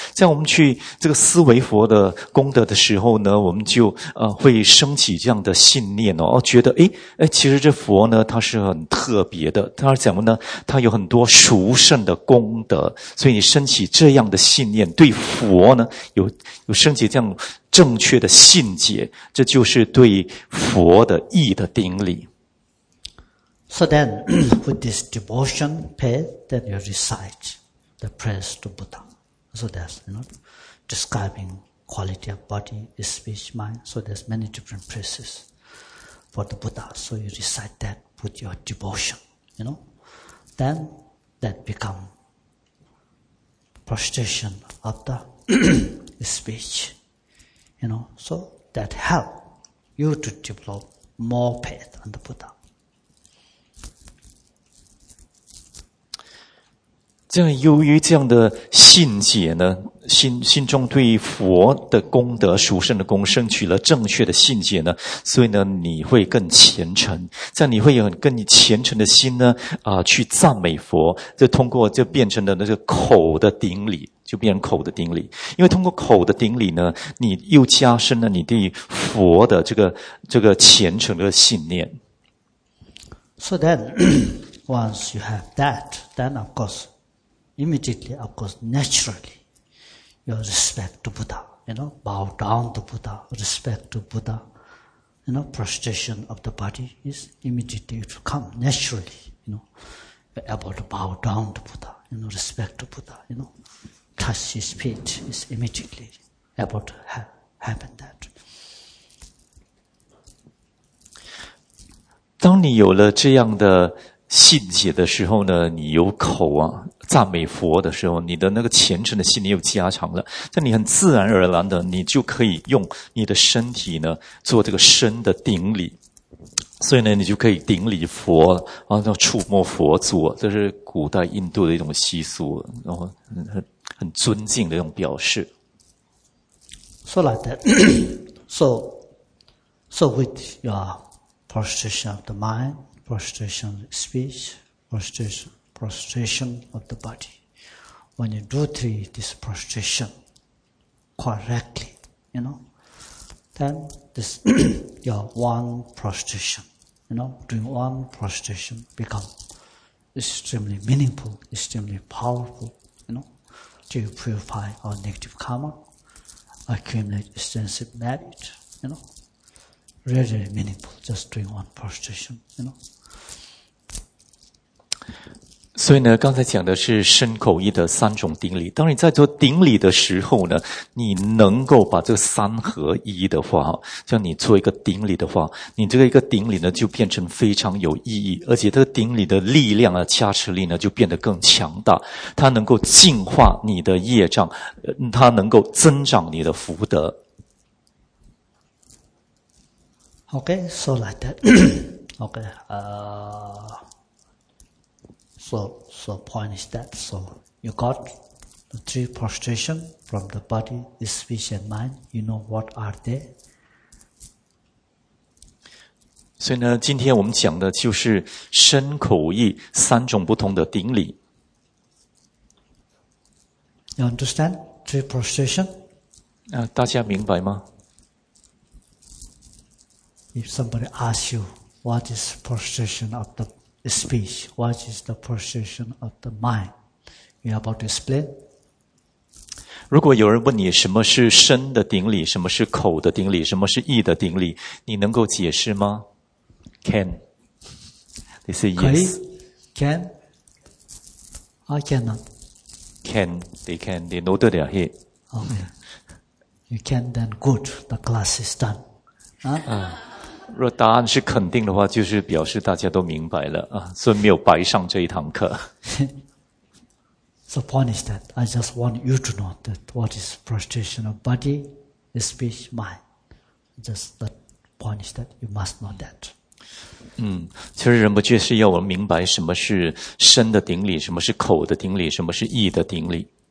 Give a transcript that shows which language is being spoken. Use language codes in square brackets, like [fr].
[zh] 这样我们去这个思维佛的功德的时候呢，我们就会升起这样的信念哦，觉得哎，其实这佛呢，它是很特别的，它是怎么呢？它有很多殊胜的功德，所以你升起这样的信念，对佛呢有升起这样。正确的信解，这就是对佛的意的顶礼。 [en] So then, with this devotion paid, then you recite the prayers to Buddha. So that's, you know, describing quality of body, speech, mind. So there's many different praises for the Buddha. So you recite that with your devotion, you know. Then that become prostration of the speech. You know, so that help you to develop more faith on the Buddha. [zh] 这样由于这样的信解呢，心中对佛的功德、殊胜的功，生取了正确的信解呢，所以呢，你会更虔诚，这样你会有更虔诚的心呢，去赞美佛，就通过就变成了那个口的顶礼，就变成口的顶礼，因为通过口的顶礼呢，你又加深了你对佛的这个虔诚的信念。 [en] So then, once you have that, then of course. Immediately, of course, naturally, your respect to Buddha, you know, bow down to Buddha, respect to Buddha, you know, prostration of the body is immediately, it will come naturally, you know, you're able to bow down to Buddha, you know, respect to Buddha, you know, touch his feet is immediately able to happen that. [zh] 当你有了这样的信解的时候呢，你有口啊赞美佛的时候，你的那个虔诚的心你又加强了，但你很自然而然的，你就可以用你的身体呢做这个身的顶礼，所以呢你就可以顶礼佛，然后触摸佛祖，这是古代印度的一种习俗，然后很尊敬的一种表示。 [en] So like that, so with your prostration of the mind, prostration of speech, prostration of the body. When you do three, this prostration correctly, you know, then this, your one prostration, you know, doing one prostration become extremely meaningful, extremely powerful, you know, to purify our negative karma, accumulate extensive merit, you know, really meaningful, just doing one prostration, you know. [zh] 所以呢，刚才讲的是身口意的三种顶礼。当你在做顶礼的时候呢，你能够把这三合一的话，像你做一个顶礼的话，你这个一个顶礼呢就变成非常有意义，而且这个顶礼的力量啊、加持力呢就变得更强大，它能够净化你的业障，它能够增长你的福德。 [en] Okay, so like that. Okay, So point is that, so you got the three prostration from the body, the speech and mind, you know what are they? [zh] 所以呢，今天我们讲的就是身口意三种不同的顶礼。 [en] You understand? Three prostration? [zh] 大家明白吗？ [en] If somebody asks you, what is prostration of the body? Speech, what is the prostration of the mind? You are about to explain? [zh] 如果有人问你什么是身的顶礼，什么是口的顶礼，什么是意的顶礼，你能够解释吗？ [en] Can. They say yes. [zh] 可以? [en] Can? I cannot. Can. They can. They know that they are here. Okay. You can then good. The class is done. Huh? [zh] 若答案是肯定的话，就是表示大家都明白了啊，所以没有白上这一堂课。 [en] So point is that I just want you to know that what is prostration of body, speech, mind. Just the point is that you must know that. [zh] 其实仁波切是要我们明白什么是身的顶礼，什么是口的顶礼，什么是意的顶礼。